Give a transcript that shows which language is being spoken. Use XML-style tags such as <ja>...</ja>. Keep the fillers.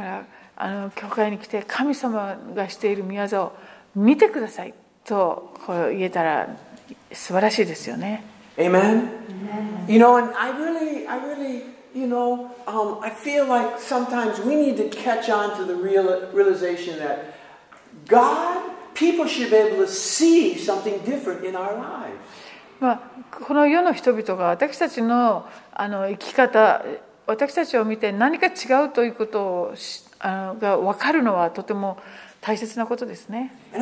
<ja>らあの、教会に来て、神様がしている宮沢を見てくださいとこう言えたら素晴らしいですよね。</ja> <en>Amen? Amen. You know, and I really, I really, you know, um, I feel like sometimes we need to catch on to the real realization that God, people should be able to see something different in our lives.</en> <ja>まあ、この世の人々が私たちの,あの生き方私たちを見て何か違うということをあのが分かるのはとても大切なことですね。</ja>